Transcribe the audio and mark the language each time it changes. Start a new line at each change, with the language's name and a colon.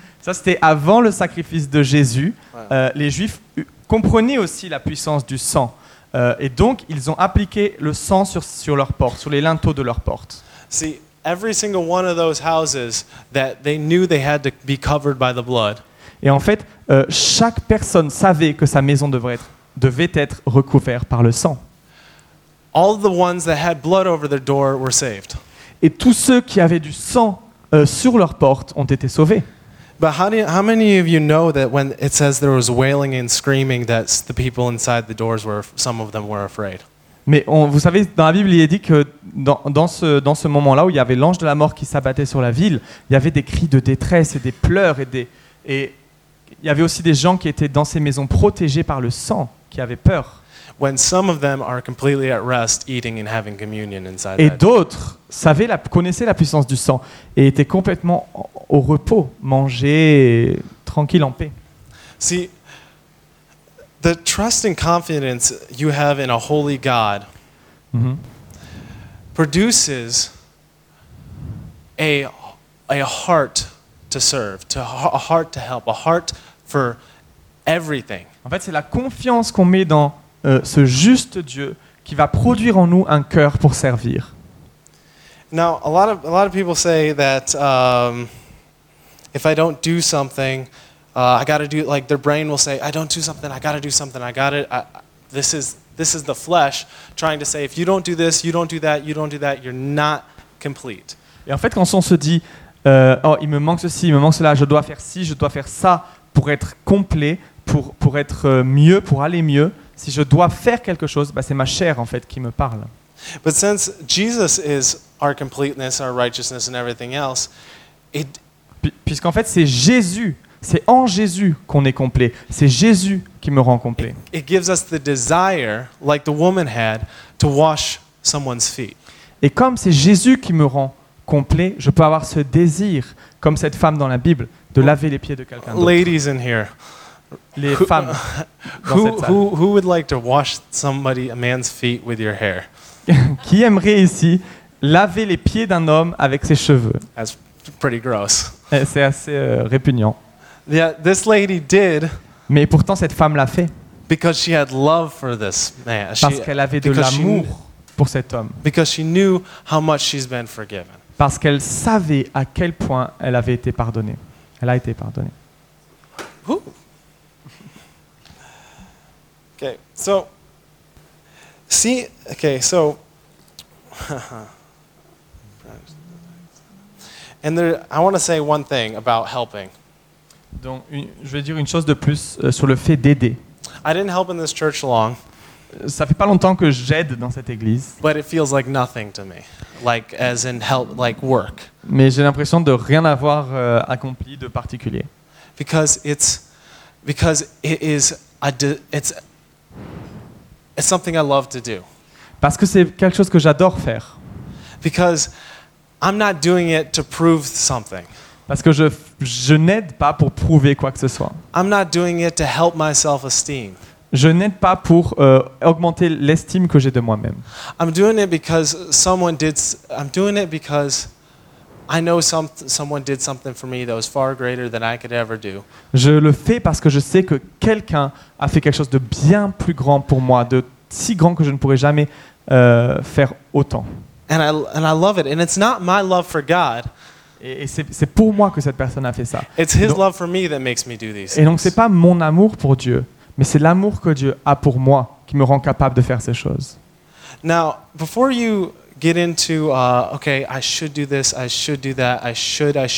French: Ça c'était avant le sacrifice de Jésus. Wow. Les Juifs. Comprenez aussi la puissance du sang. Et donc, ils ont appliqué le sang sur leurs portes, sur les linteaux de leurs portes.
English: See, every single one of those houses that they knew they had to be covered by the blood.
French: Et en fait, chaque personne savait que sa maison devait être recouverte par le sang.
English: All the ones that had blood over their door were saved.
French: Et tous ceux qui avaient du sang sur leurs portes ont été sauvés.
English: But how many of you know that when it says there was wailing and screaming that the people inside the doors were some of them were afraid?
French: Mais vous savez dans la Bible il est dit que dans ce moment-là où il y avait l'ange de la mort qui s'abattait sur la ville, il y avait des cris de détresse et des pleurs et il y avait aussi des gens qui étaient dans ces maisons protégés par le sang qui avaient peur.
English: When some of them are completely at rest eating and having communion inside.
French: Et d'autres connaissaient la puissance du sang et étaient complètement au repos, manger tranquille en paix.
English: See, the trust and confidence you have in a holy God produces a heart to serve, to a heart to help, a heart for everything.
French: En fait, c'est la confiance qu'on met dans ce juste Dieu qui va produire en nous un cœur pour servir.
English: Now, a lot of people say that if I don't do something, I got to do it. Like their brain will say, I don't do something, I got to do something, I got it. This is the flesh trying to say, if you don't do this, you don't do that, you don't do that, you're not complete.
French: Et en fait, quand on se dit, Oh, il me manque ceci, il me manque cela, je dois faire ci, je dois faire ça pour être complet, pour être mieux, pour aller mieux. Si je dois faire quelque chose, bah, c'est ma chair en fait qui me parle.
English: But since Jesus is our completeness, our righteousness and everything else,
French: puisqu'en fait c'est Jésus, c'est en Jésus qu'on est complet, c'est Jésus qui me rend complet.
English: It gives us the desire, like the woman had, to wash someone's feet.
French: Et comme c'est Jésus qui me rend complet, je peux avoir ce désir, comme cette femme dans la Bible, de laver les pieds de quelqu'un d'autre.
English: Ladies in here,
French: les femmes
English: who would like to wash somebody, a man's feet, with your hair?
French: Qui aimerait ici laver les pieds d'un homme avec ses cheveux?
English: That's pretty gross.
French: C'est assez répugnant.
English: Yeah, this lady did.
French: Mais pourtant cette femme l'a fait.
English: Because she had love for this man.
French: Parce qu'elle avait de l'amour pour cet homme.
English: Because she knew how much she's been forgiven.
French: Parce qu'elle savait à quel point elle avait été pardonnée. Elle a été pardonnée. Ooh.
English: Okay, so see, okay, so and there, I want to say one thing about helping.
French: Donc, je vais dire une chose de plus sur le fait d'aider.
English: I didn't help in this church long.
French: Ça fait pas longtemps que j'aide dans cette église.
English: But it feels like nothing to me, like as in help, like work.
French: Mais j'ai l'impression de rien avoir accompli de particulier.
English: Because it is it's something I love to do.
French: Parce que c'est quelque chose que j'adore faire.
English: Because I'm not doing it to prove something.
French: Parce que je n'aide pas pour prouver quoi que ce soit.
English: I'm not doing it to help my self-esteem.
French: Je n'aide pas pour augmenter l'estime que j'ai de moi-même.
English: I'm doing it because someone did. I'm doing it because I know someone did something for me that was far greater than I could ever do.
French: Je le fais parce que je sais que quelqu'un a fait quelque chose de bien plus grand pour moi, de si grand que je ne pourrais jamais faire autant.
English: And I love it. And it's not my love for God.
French: Et c'est pour moi que cette personne a fait ça.
English: It's his love for me that makes me do these.
French: Et donc c'est pas mon amour pour Dieu, mais c'est l'amour que Dieu a pour moi qui me rend capable de faire ces choses.
English: Now, before you get into okay, I should do this, I should do that, I should.